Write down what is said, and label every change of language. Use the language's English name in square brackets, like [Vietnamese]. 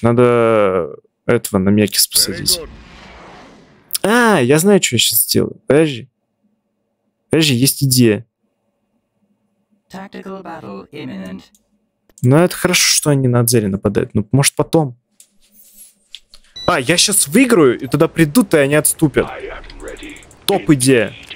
[Russian] Надо этого на мякис посадить. А, я знаю, что я сейчас сделаю. Подожди. Подожди, есть идея. [English] Tactical battle imminent. [Russian] Ну, это хорошо, что они на Адзери нападают. Ну, может, потом. А, я сейчас выиграю, и туда придут, и они отступят. Топ идея.